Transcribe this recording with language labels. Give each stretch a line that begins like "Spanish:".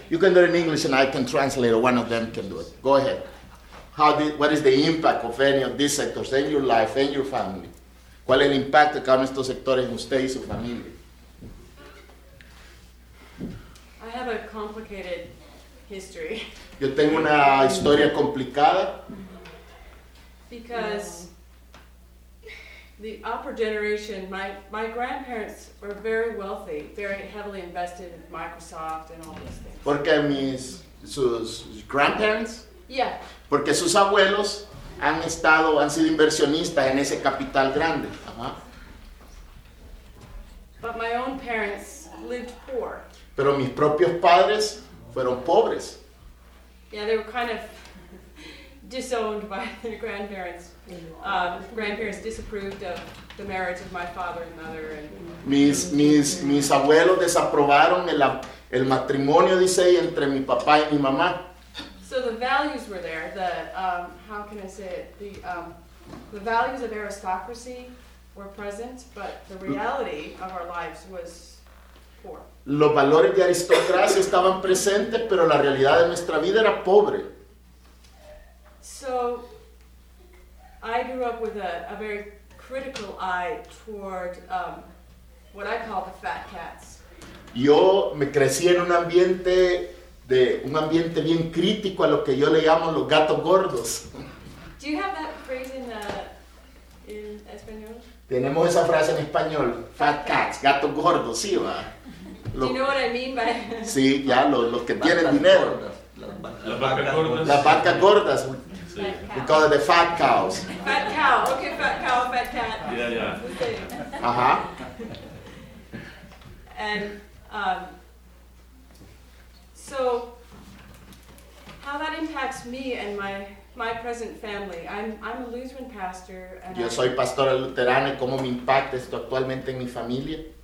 English: You can do it in English and I can translate, or one of them can do it. Go ahead. What is the impact of any of these sectors in your life and your family?
Spanish: ¿Cuál es el impacto que tienen estos sectores en usted y su familia?
English: I have a complicated history.
Spanish: Yo tengo una historia complicada.
English: Because the upper generation, my grandparents were very wealthy, very heavily invested in Microsoft and all those things.
Spanish: Porque sus grandparents?
English: Yeah.
Spanish: Porque sus abuelos han sido inversionistas en ese capital grande.
English: But my own parents lived poor.
Spanish: Pero mis propios padres fueron pobres.
English: Yeah, they were kind of disowned by their grandparents. Grandparents disapproved of the marriage of my father and mother.
Spanish: Mis abuelos desaprobaron el matrimonio, dice, entre mi papá y mi mamá.
English: So the values were there. The values of aristocracy were present, but the reality of our lives was poor.
Spanish: Los valores de aristocracia estaban presentes, pero la realidad de nuestra vida era pobre.
English: So I grew up with a very critical eye toward what I call the fat cats.
Spanish: Yo me crecí en un ambiente bien crítico a lo que yo le llamo los gatos gordos.
English: Do you have that phrase in español?
Spanish: Tenemos esa frase en español,
English: fat cats,
Spanish: gatos gordos, sí, va.
English: Do you know what I mean by?
Spanish: Sí, ya los que tienen dinero. Las vacas gordas.
English: We call it the fat cows. Fat cow. Okay, fat cow, fat cat. Yeah. Aha. And so how that impacts me and my present family. I'm a Lutheran pastor and
Spanish: yo soy pastora luterana, y cómo me impacta esto actualmente en mi familia.